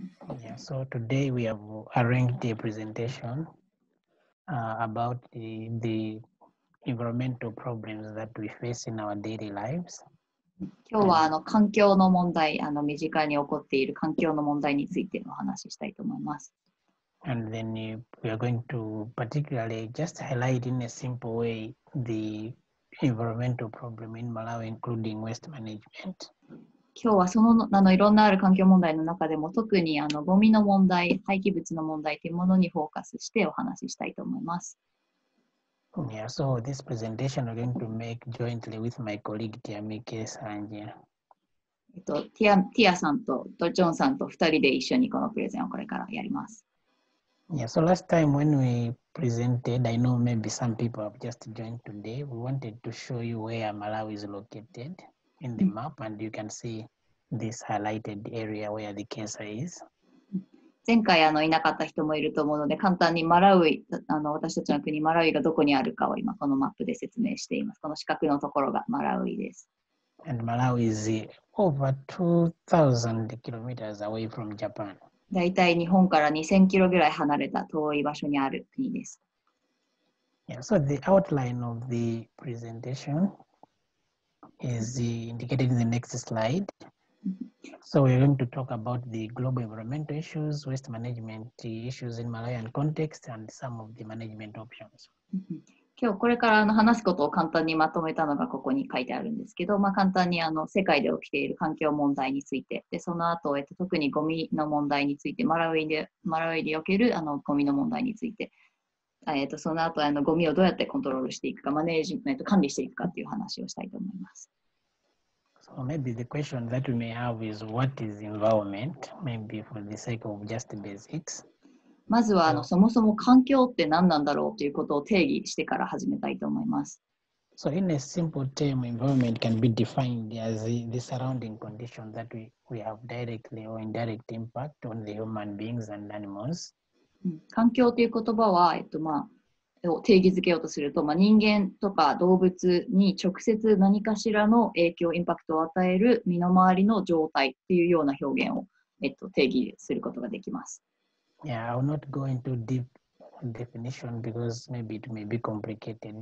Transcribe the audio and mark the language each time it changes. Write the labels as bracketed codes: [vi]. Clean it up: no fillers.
[en] Yeah, so today we have arranged a presentation、about the environmental problems that we face in our daily lives. [ja] 今日はあの環境の問題、あの身近に起こっている環境の問題についてお話ししたいと思います。 [en] And then we are going to particularly just highlight in a simple way the environmental problem in Malawi, including waste management. [ja] 今日はその、あのいろんなある環境問題の中でも特にあのゴミの問題、廃棄物の問題というものにフォーカスしてお話ししたいと思います。 [en] Yeah, so this presentation I'm going to make jointly with my colleague Tia Mike Sanjia. [ja] Tia さんとジョンさんと2人で一緒にこのプレゼンをこれからやります。 [en] Yeah, so last time when we presented, I know maybe some people have just joined today. We wanted to show you where Malawi is located in the map, and you can see this highlighted area where the cancer is. [ja] 前回あのいなかった人もいると思うので、簡単にマラウイ、あの私たちの国マラウイがどこにあるかを今このマップで説明しています。この四角のところがマラウイです。 [en] And Malawi is over 2,000 kilometers away from Japan. [ja] だいたい日本から2000キロぐらい離れた遠い場所にある国です。 [en] Yeah, so the outline of the presentation is indicated in the next slide. So we're going to talk about the global environmental issues, waste management issues in Malawian context, and some of the management options. [ja] 今日これからあの話すことを簡単にまとめたのがここに書いてあるんですけど、まあ、簡単にあの世界で起きている環境問題についてでその後、特にゴミの問題についてマラウイでおけるあのゴミの問題について、その後あのゴミをどうやってコントロールしていくかマネージメント管理していくかという話をしたいと思います。 [en] So maybe the question that we may have is what is environment? Maybe for the sake of just the basics. [ja] まずはあのそもそも環境って何なんだろうということを定義してから始めたいと思います。 [en] So in a simple term, environment can be defined as the surrounding condition that we have directly or indirect impact on the human beings and animals. [ja] 環境という言葉は、定義づけようとすると、まあ、人間とか動物に直接何かしらの影響、インパクトを与える身の回りの状態っていうような表現を、定義することができます。 [en] Yeah, I will not go into deep definition because maybe it may be complicated.